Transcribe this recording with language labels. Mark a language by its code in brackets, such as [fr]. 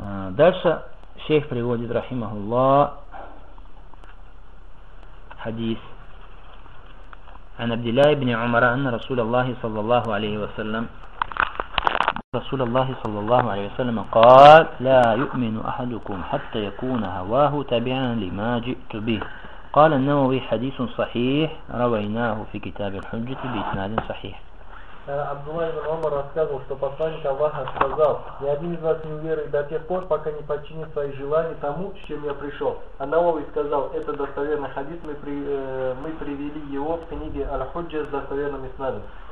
[ru] Дальше шейх приводит, [ar] рахимахуллах, хадис ан Абдилля ибн Умара анна Расулаллахи саллаллаху алейхи ва саллям Расулаллахи саллаллаху алейхи ва саллям قال لا يؤمن أحدكم حتى يكون هواه تابعا لما جئت به. قال النووي حديث صحيح رويناه في كتاب الحجة بإسناد صحيح. [ru] Абдуллах ибн Умар рассказывал, что посланник Аллаха сказал: «Ни один из вас не уверует до тех пор, пока не подчинит свои желания тому, с чем я пришел». А Навови сказал: «Это достоверный хадис, мы привели его в книге Аль-Худжа с достоверным иснадом».